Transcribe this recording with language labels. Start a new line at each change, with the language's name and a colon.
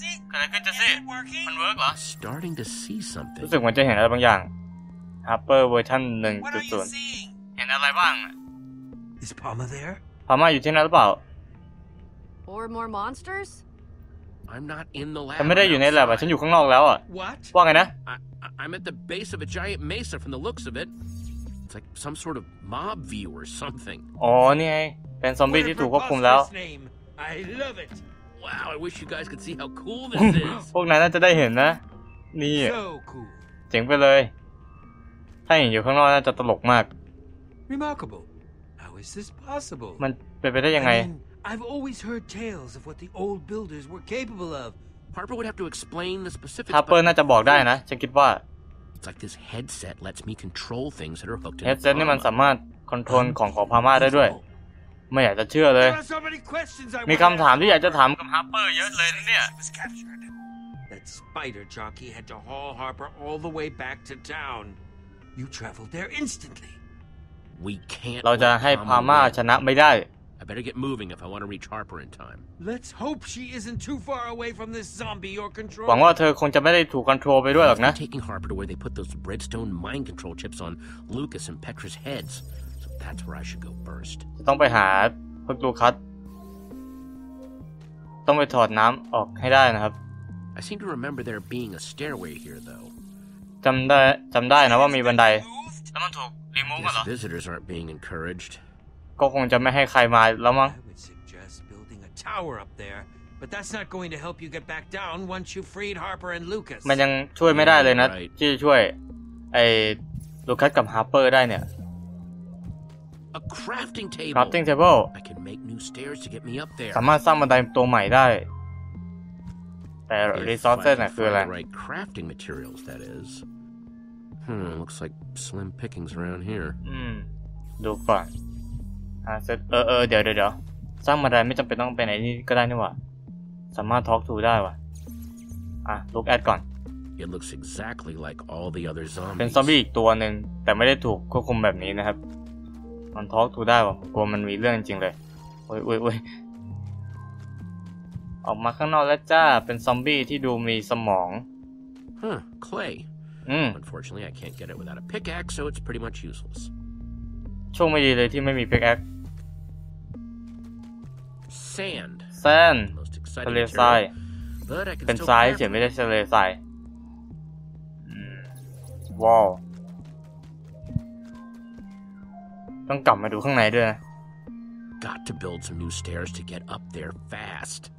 Thai: เกิดอะไรขึ้นเจสซี่มันเวิร์กเหรอ
English: Starting to see something
Thai: รู้สึกเหมือนจะเห็นอะไรบางอย่าง
English: Harper version 1.0
Thai: เห็นอะไรบ้าง
English: Is Palma there?
Thai: Palma อยู่ที่นั่นหรือเปล่า
English: Or more monsters? I'm not in the lab.
Thai: ฉันไม่ได้อยู่ในแลบอ่ะฉันอยู่ข้างนอกแล้วอ่ะ
English: What?
Thai: ว่าไงนะ
English: I'm at the base of a giant mesa from the looks of it. It's like some sort of mob view or something.
Thai: อ๋อนี่ไงเป็นซอมบี้ที่ถูกควบคุมแล้ว
English: I love it Wow, I wish you guys could see how cool this is.
Thai: พวกนั้นน่าจะได้เห็นนะนี่เจ๋งไปเลยถ้าเห็นอยู่ข้างนอกน่าจะตลกมาก
English: Remarkable. How is this possible?
Thai: มันเป็นไปได้ยังไง
English: I've always heard tales of what the old builders were capable of. Harper would have to explain the specifics. Harper
Thai: น่าจะบอกได้นะฉันคิดว่า
English: It's like this headset lets me control things that are hooked to the headset
Thai: นี่มันสามารถคอนโทรลของพาม่าได้ด้วยไม่อยากจะเชื่อเลยมีคำถามที่อยากจะถามกับฮาร์เปอร์เยอะเลยเนี่ย
English: That spider jockey had to haul Harper all the way back to town. You traveled there instantly. We can't.
Thai: เราจะให้พาม่าชนะไม่ได้
English: I better get moving if I want to reach Harper in time. Let's hope she isn't too far away from this zombie you're controlling.
Thai: หวังว่าเธอคงจะไม่ได้ถูกคอนโทรลไปด้วยหรอกนะ
English: Taking Harper to where they put those redstone mind control chips on Lucas and Petra's heads. That's where I should go first.
Thai: ต้องไปหาพวกลูคัสต้องไปถอดน้ำออกให้ได้นะครับ
English: I seem to remember there being a stairway here though.
Thai: จำได้นะว่ามีบันได แล้วมันถูกรีมูฟเหรอ
English: Yes, visitors aren't being encouraged.
Thai: ก็คงจะไม่ให้ใครมาแล้วมั้ง
English: I would suggest building a tower up there, but that's not going to help you get back down once you freed Harper and Lucas.
Thai: มันยังช่วยไม่ได้เลยนะที่ช่วยไอ้ลูคัสกับฮาร์เปอร์ได้เนี่ย
English: A crafting table. Crafting table. I can make new stairs to get me up there.
Thai: สามารถสร้างบันไดตัวใหม่ได้แต่ resources น่ะคืออะไร
English: Right crafting materials that is. Looks like slim pickings around here.
Thai: ดูก่อนเดี๋ยวสร้างบันไดไม่จำเป็นต้องไปไหนนี่ก็ได้นี่วะสามารถ talk to ได้วะlook at ก่อน
English: It looks exactly like all the other zombies.
Thai: เป็นซอมบี้อีกตัวนึงแต่ไม่ได้ถูกควบคุมแบบนี้นะครับมันทอล์กทูได้ป่ะกลัวมันมีเรื่องจริงเลยโอ้ยออกมาข้างนอกแล้วจ้าเป็นซอมบี้ที่ดูมีสมอง
English: clay unfortunately I can't get it without a pickaxe so it's pretty much useless
Thai: โชคไม่ดีเลยที่ไม่มีpickaxe
English: sand
Thai: ทะเลทรายเป็นทรายเฉยไม่ได้ทะเลทรายว้าวต้องกลับมาดูข้างในด้วยนะ
English: Got to build some new stairs to get up there fast.